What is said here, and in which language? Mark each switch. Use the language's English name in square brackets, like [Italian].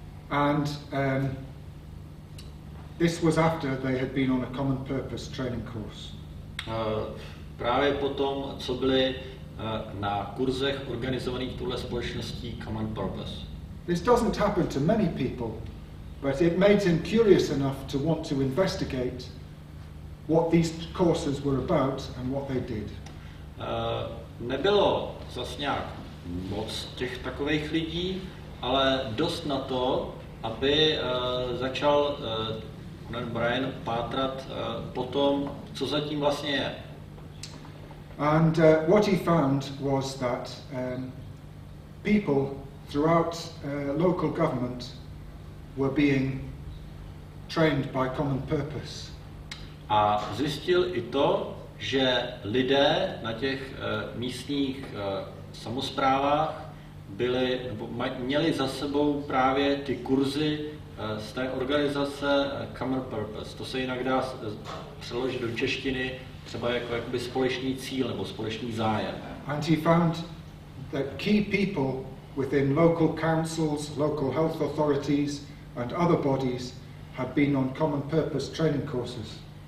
[English] And this was after they had been on a common purpose training course. [Czech] Právě potom, co byli na kurzech organizovaných touhle společností Common Purpose. [English] This doesn't happen to many people, but it made him curious enough to want to investigate what these courses were about and what they did. [Czech] Nebylo zas nějak moc těch takových lidí, ale dost na to, aby začal Conan O'Brien pátrat po tom, co zatím vlastně je. [English] And what he found was that people throughout local government were being trained by common purpose. [Czech] A zjistil i to, že lidé na těch místních samosprávách byli, měli za sebou právě ty kurzy z té organizace Common Purpose. To se jinak dá přeložit do češtiny třeba jako jakoby společný cíl nebo společný zájem. [English] And he found that key people within local councils, local health authorities and other bodies had been on Common Purpose training courses.